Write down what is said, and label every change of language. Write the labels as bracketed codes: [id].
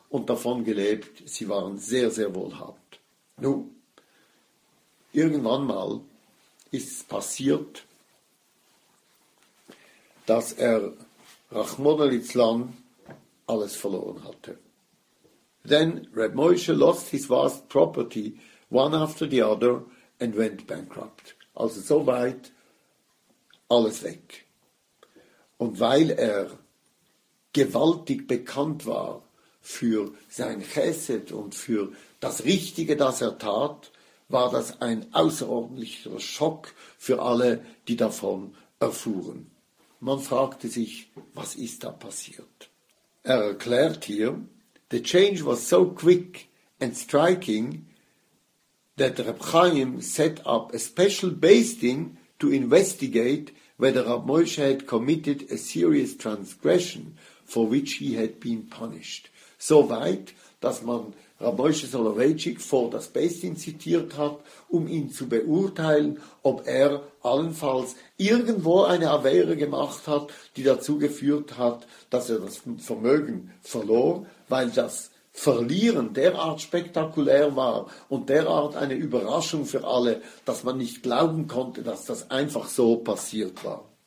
[de] und davon gelebt. Sie waren sehr, sehr wohlhabend. Nun, irgendwann mal ist es passiert, dass er Rachmona Litzlan alles verloren hatte. [en] Then Reb Moshe lost his vast property one after the other and went bankrupt. [de] Also soweit alles weg. Und weil er gewaltig bekannt war für sein Chesed und für das Richtige, das er tat, war das ein außerordentlicher Schock für alle, die davon erfuhren. Man fragte sich, was ist da passiert? Er erklärt hier, [en] the change was so quick and striking that Reb Chaim set up a special Beis Din to investigate whether Reb Moshe had committed a serious transgression for which he had been punished. [de] So weit, dass man Reb Moshe Soloveitchik vor das Beis Din zitiert hat, um ihn zu beurteilen, ob er allenfalls irgendwo eine Avere gemacht hat, die dazu geführt hat, dass er das Vermögen verlor, weil das Verlieren derart spektakulär war und derart eine Überraschung für alle, dass man nicht glauben konnte, dass das einfach so passiert war.